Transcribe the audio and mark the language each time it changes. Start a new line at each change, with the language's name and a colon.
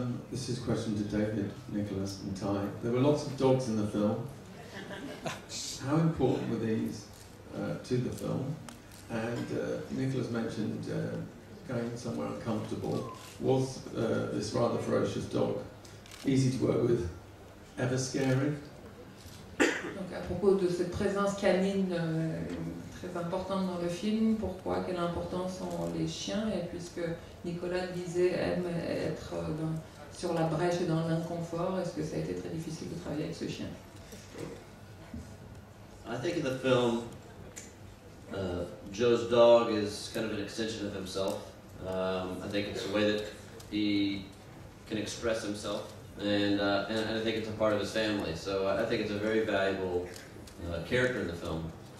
English: This is a question to David, Nicholas, and Ty. There were lots of dogs in the film. How important were these to the film? And Nicholas mentioned going somewhere uncomfortable. Was this rather ferocious dog easy to work with, ever scary?
French: Donc à propos de cette présence canine très importante dans le film, pourquoi, quelle importance ont les chiens? Et puisque Nicolas disait aime être dans, sur la brèche et dans l'inconfort, est-ce que ça a été très difficile de travailler avec ce chien?
English: I think in the film, Joe's dog is kind of an extension of himself. I think it's a way that he can express himself. And I think it's a part of his family. So I think it's a very valuable character in the film.